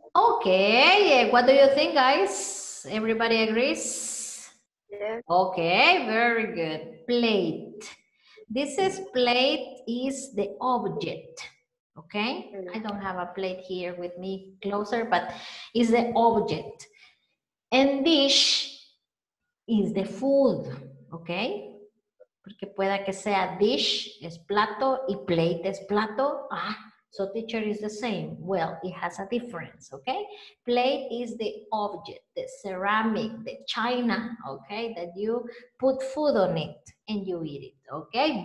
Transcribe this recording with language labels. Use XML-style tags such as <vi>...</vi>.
<en>Okay, what do you think, guys? Everybody agrees? Yeah. Okay, very good. Plate. This is plate is the object, Okay, I don't have a plate here with me closer, but it's the object. And dish is the food, okay?</en> <es>Porque pueda que sea dish es plato y plate es plato.</es> <en>Ah, so teacher is the same. Well, it has a difference, okay? Plate is the object, the ceramic, the china, okay? That you put food on it and you eat it, okay?</en>